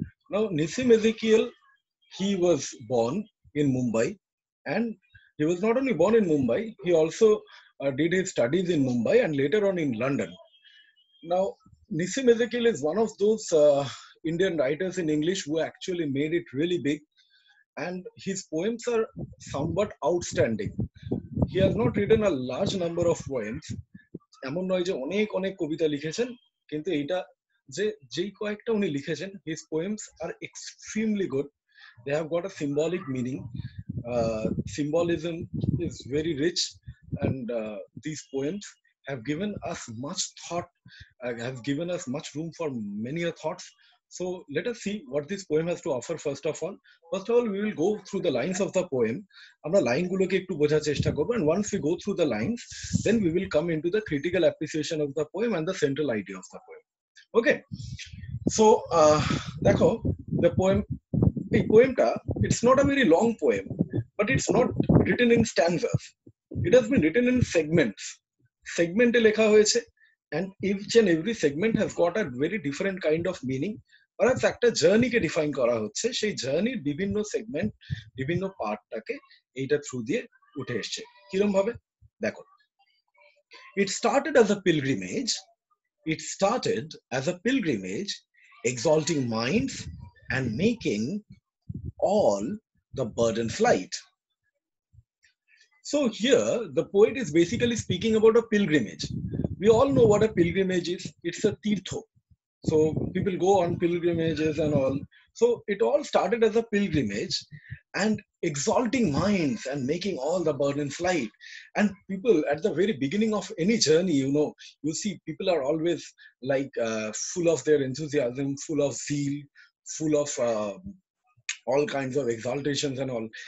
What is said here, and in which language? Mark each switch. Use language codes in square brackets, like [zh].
[en] Now, Nissim Ezekiel, he was born in Mumbai, and he was not only born in Mumbai, he also did his studies in Mumbai and later on in London. Now, Nissim Ezekiel is one of those Indian writers in English who actually made it really big. And his poems are somewhat outstanding. He has not written a large number of poems. [bn] এমন নয় যে অনেক অনেক কবিতা লিখেছেন, কিন্তু এটা যে যেই কয়েকটা উনি লিখেছেন, [en] his poems are extremely good. They have got a symbolic meaning. Symbolism is very rich, and these poems have given us much thought, have given us much room for many a thoughts. So let us see what this poem has to offer first of all. First of all, we will go through the lines of the poem. [bn] Amra line gulo ke ektu bojhar chesta korbo, [en] and once we go through the lines, then we will come into the critical appreciation of the poem and the central idea of the poem. Okay. So dekho, the poem, it's not a very long poem, but it's not written in stanzas. It has been written in segments. [bn] Segment e lekha hoyeche, [en] and each and every segment has got a very different kind of meaning. [bn] Perhaps একটা journey কে define করা হচ্ছে, সেই জার্নির বিভিন্ন segment বিভিন্ন পার্টটাকে এইটা through দিয়ে উঠে এসেছে কিরকম ভাবে দেখো. [en] It started as a pilgrimage, it started as a pilgrimage, exalting minds and making all the burden light. So here the poet is basically speaking about a pilgrimage. We all know what a pilgrimage is, it's a তীর্থ. So people go on pilgrimages and all. So it all started as a pilgrimage and exalting minds and making all the burdens light. And people at the very beginning of any journey, you know, you see people are always like full of their enthusiasm, full of zeal, full of all kinds of exaltations and all.